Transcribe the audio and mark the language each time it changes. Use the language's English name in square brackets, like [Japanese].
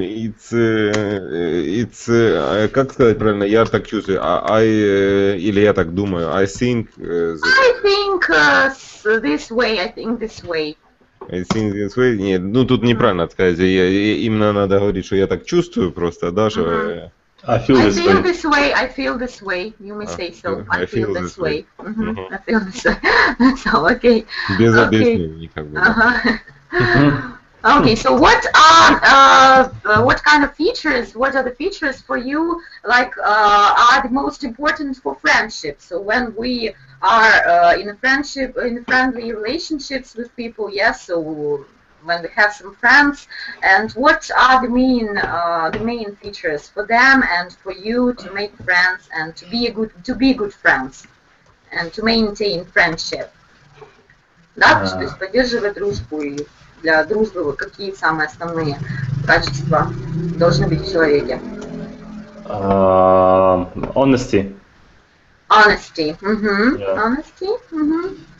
[English] It's [Russian] как сказать правильно? Я так чувствую. Я так думаю. [English] I think. I think this way. [Russian] Нет, ну тут неправильно сказать, именно надо говорить, что я так чувствую просто, да, что... [English] I feel this way, you may say so, I feel this way. I feel this way, that's all, okay. [Russian] Без объяснений, как бы. [English] Okay, so what are the features for you, like, are the most important for friendship? So when we are in friendly relationships with people, yes, so when we have some friends, and what are the main features for them and for you to make friends and to be good friends and to maintain friendship? [Russian] Да, то есть поддерживать дружбу и для дружбы, какие самые основные качества должны быть в человеке? [English] Honesty. Honesty. Mm-hmm. Yeah. Honesty. Mm-hmm.